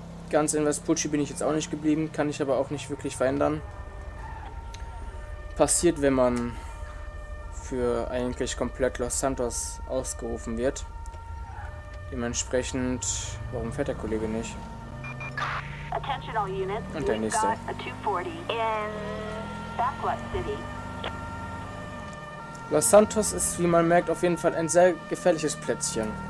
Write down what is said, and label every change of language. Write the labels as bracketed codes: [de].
[de] Ganz in Vespucci bin ich jetzt auch nicht geblieben, kann ich aber auch nicht wirklich verändern. Passiert, wenn man für eigentlich komplett Los Santos ausgerufen wird. Dementsprechend, warum fährt der Kollege nicht? [en] Attention all units. [de] Und der nächste. [en] We've got a 240 in Backlot City. [de] Los Santos ist, wie man merkt, auf jeden Fall ein sehr gefährliches Plätzchen.